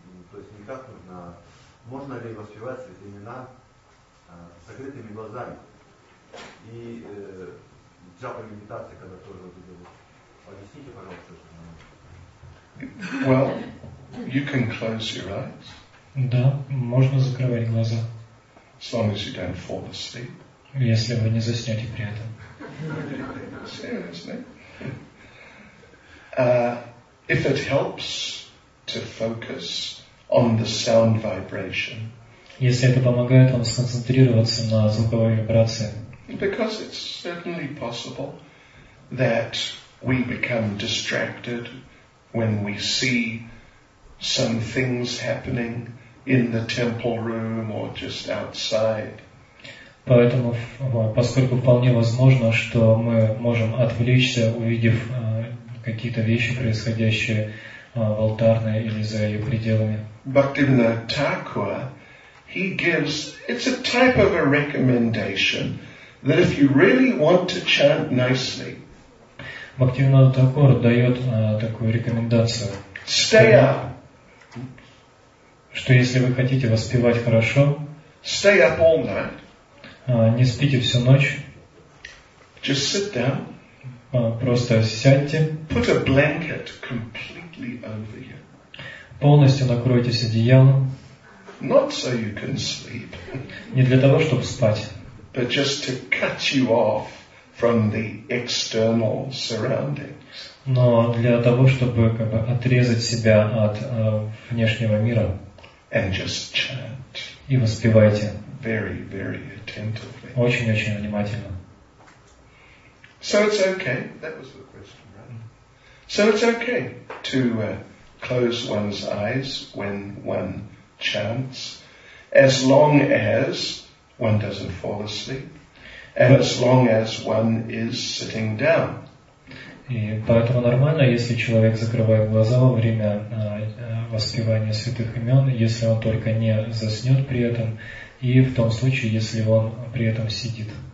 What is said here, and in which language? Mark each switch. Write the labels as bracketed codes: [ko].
[ru] То есть никак нужно, можно ли воспевать святые имена с закрытыми глазами? И джапа медитация, когда тоже делают. Объясните, пожалуйста, что нам. [en] Well, you can close your eyes. [ru] Да, можно закрывать глаза. [en] As long as you don't fall asleep. [ru] Если вы не заснете при этом. [en] Seriously. If it helps to focus on the sound vibration. [ru] Если это помогает вам сконцентрироваться на звуковой вибрации. [en] Because it's certainly possible that we become distracted when we see some things happening in the temple room or just outside. [ru] Поэтому, поскольку вполне возможно, что мы можем отвлечься, увидев какие-то вещи, происходящие в алтарной или за ее пределами. [en] Bhaktivinoda Thakur, he gives, it's a type of a recommendation that if you really want to chant nicely, [ru] Bhaktivinoda Thakur дает такую рекомендацию. [en] Stay up. [ru] Что если вы хотите воспевать хорошо, [en] stay up all night. [ru] Не спите всю ночь. [en] Just sit down. [ru] Просто сядьте. [en] Put a blanket completely over you. [ru] Полностью накройтесь одеялом. [en] Not so you can sleep. [ru] Не для того, чтобы спать. [en] But just to cut you off from the external surroundings. [ru] Но для того, чтобы как бы отрезать себя от внешнего мира. [en] And just chant. [ru] И воспевайте. [en] Very, very attentively. [ru] Очень-очень внимательно. [en] So it's okay. That was the question, right? So it's okay to close one's eyes when one chants, as long as one doesn't fall asleep, and as long as one is sitting down. [ru] И поэтому нормально, если человек закрывает глаза во время воспевания святых имен, если он только не заснет при этом, и в том случае, если он при этом сидит.